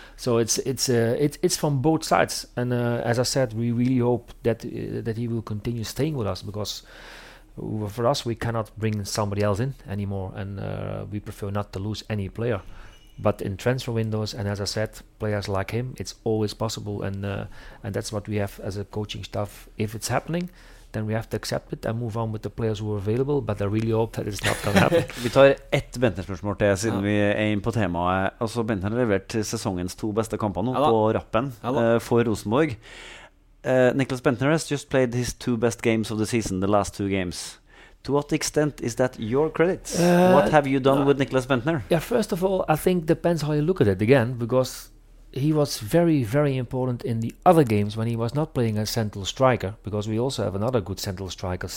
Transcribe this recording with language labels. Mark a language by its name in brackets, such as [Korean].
[English] So it's from both sides, and as I said, we really hope that he will continue staying with us, because for us we cannot bring somebody else in anymore, and we prefer not to lose any player. But in transfer windows, and as I said, players like him, it's always possible, and that's what we have as a coaching staff. If it's happening, then we have to accept it and move on with the players who are available, but I really hope that it's not going to happen. [Norwegian] Vi tar ett Bentner-spørsmål til, siden vi inn på temaet. Altså, Bentner har levert sesongens to beste kamper nå på rappen for Rosenborg. [English] Nicholas Bentner has just played his two best games of the season, the last two games. To what extent is that your credit? What have you done with Nicholas Bentner? Yeah, first of all, I think depends how you look at it again, because he was very, very important in the other games when he was not playing a central striker, because we also have another good central striker.